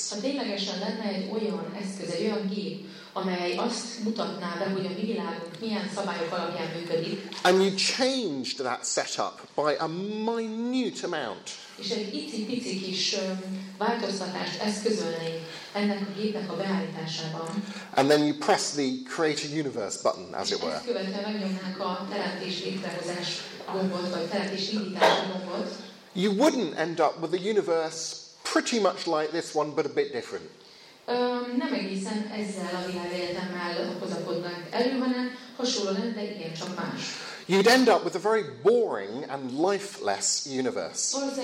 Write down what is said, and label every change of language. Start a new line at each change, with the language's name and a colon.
Hungarian: ha ténylegesen lenne egy olyan eszköz, egy olyan gép, amely azt mutatná be, hogy a mi világunk milyen szabályok alapján működik,
English: and you changed that setup by a minute amount,
Hungarian: és egy icipici kis változtatást eszközölni ennek a gépnek a beállításában,
English: and then you press the create a universe button, as it were,
Hungarian: és ezt követően megnyomnák a teremtés létrehozás gombot, vagy teremtés indítás gombot,
English: you wouldn't end up with a universe pretty much like this one, but a bit different.
Hungarian: Nem egészen ezzel a világegyetemmel hozakodnak elő, hanem hasonló lenne, de igen, csak más.
English: You'd end up with a very boring and lifeless universe.